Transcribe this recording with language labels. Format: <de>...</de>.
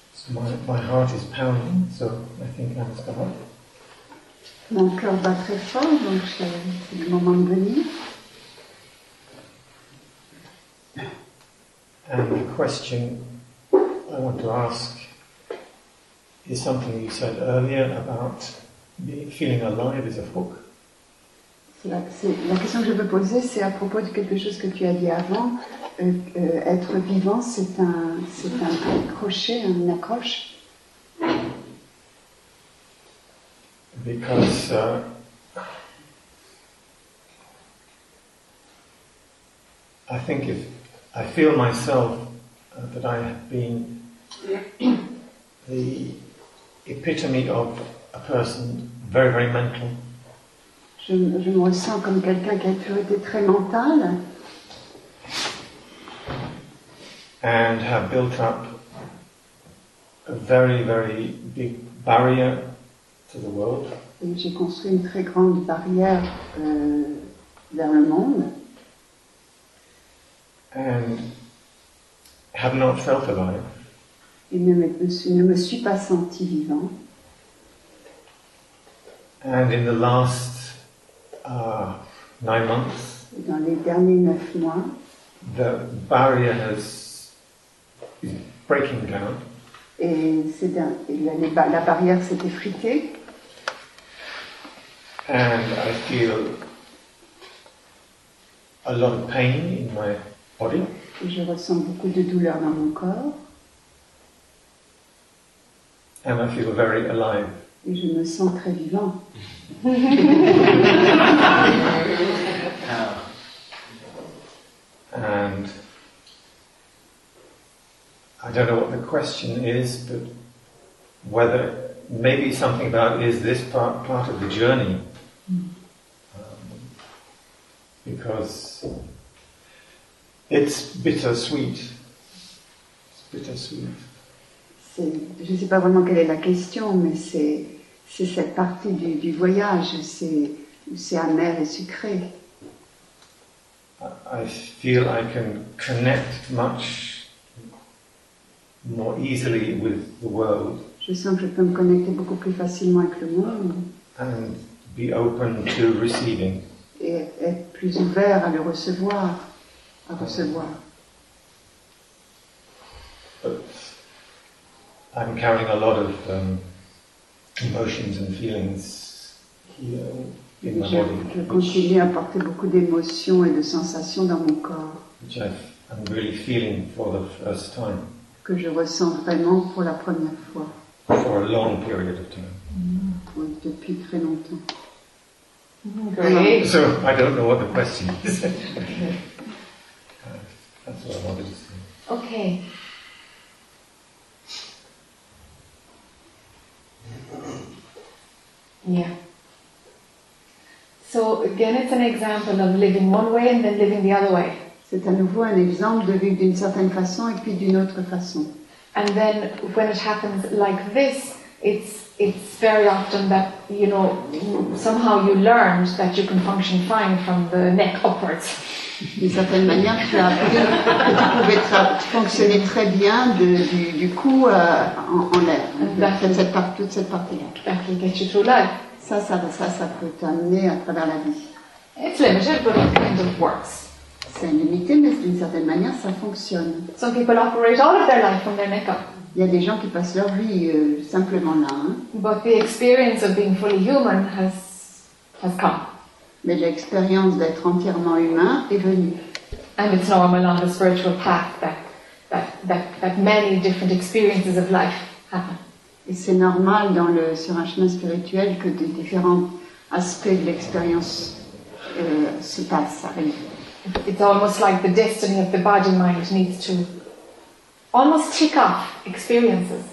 <en>My heart is pounding, so I think I'm stopped.</en> <fr>Mon cœur bat très fort, donc c'est le moment de venir.</fr> <en>And the question I want to ask is something you said earlier about feeling alive as a hook.</en> <fr>La question que je veux poser, c'est à propos de quelque chose que tu as dit avant. Être vivant, c'est un crochet, une accroche.</fr> <en>Because I think if I feel myself that I have been the epitome of a person very, very mental.</en> <fr>Je me ressens comme quelqu'un qui a toujours été très mental.</fr> <en>And have built up a very, very big barrier to the world.</en> <fr>Et j'ai construit une très grande barrière vers le monde.</fr> <en>And have not felt alive.</en> <fr>Et ne me suis pas senti vivant.</fr> <en>And in the last 9 months,</en> <fr>dans les derniers 9 mois,</fr> <en>the barrier is breaking down.</en> <fr>Et la barrière s'est effritée.</fr> <en>And I feel a lot of pain in my body.</en> <fr>Et je ressens beaucoup de douleur dans mon corps.</fr> <en>And I feel very alive.</en> <fr>Et je me sens très vivant.</fr> <en>And I don't know what the question is, but whether maybe something about is this part of the journey? Because it's bittersweet. It's bittersweet.</en> <fr>C'est, je ne sais pas vraiment quelle est la question, mais c'est cette partie du voyage, c'est amer et sucré.</fr> <en>I feel I can connect much more easily with the world.</en> <fr>Je sens que je peux me connecter beaucoup plus facilement avec le monde.</fr> <en>And be open to receiving.</en> <fr>Et être plus ouvert à le recevoir, à recevoir.</fr> <en>But I'm carrying a lot of emotions and feelings here.</en> <fr>Je continue à porter beaucoup d'émotions et de sensations dans mon corps.</fr> <en>I'm really feeling for the first time.</en> <fr>Que je ressens vraiment pour la première fois.</fr> <en>For a long period of time.</en> <fr>Oui, depuis très longtemps.</fr> <en>So I don't know what the question is. That's what I wanted to say. Okay. Yeah. So again, it's an example of living one way and then living the other way.</en> <fr>C'est à nouveau un exemple de vivre d'une certaine façon et puis d'une autre façon.</fr> <en>And then when it happens like this, it's very often that, you know, somehow you learned that you can function fine from the neck upwards.</en> <fr>D'une certaine manière, tu as appris que tu pouvais fonctionner très bien du cou en l'air. Toute cette partie-là.</fr> <en>That can get you through life.</en> <fr>Ça peut t'amener à travers la vie.</fr> <en>It's limited, but it kind of works.</en> <fr>C'est limité, mais d'une certaine manière, ça fonctionne.</fr> <en>Some people operate all of their life from their neck up.</en> <fr>Il y a des gens qui passent leur vie simplement là. Hein.</fr> <en>But the experience of being fully human has come.</en> <fr>Mais l'expérience d'être entièrement humain est venue.</fr> <en>And it's normal on the spiritual path that many different experiences of life happen.</en> <fr>Et c'est normal sur un chemin spirituel que des différents aspects de l'expérience se passent, arrivent.</fr> <en>It's almost like the destiny of the body mind needs to almost tick off experiences.</en>